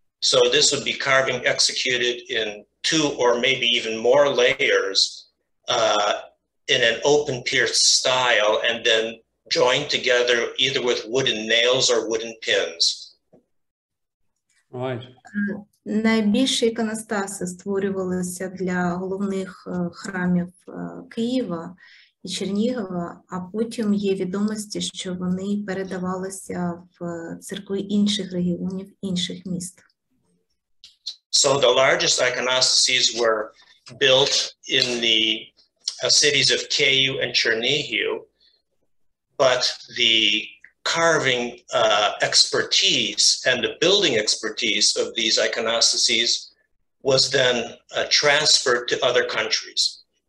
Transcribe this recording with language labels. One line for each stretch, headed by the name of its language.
English: So this would be carving executed in two or maybe even more layers in an open pierced style and then joined together either with wooden nails or wooden pins. Right.
Ukrainian: Найбільші іконостаси створювалися для головних храмів Києва і Чернігова, а потім є відомості, що вони передавалися в церкви інших регіонів, інших міст.
English: So the largest iconostases were built in the cities of Kyiv and Chernihiv, but the carving expertise and the building expertise of these iconostases was then transferred to other countries.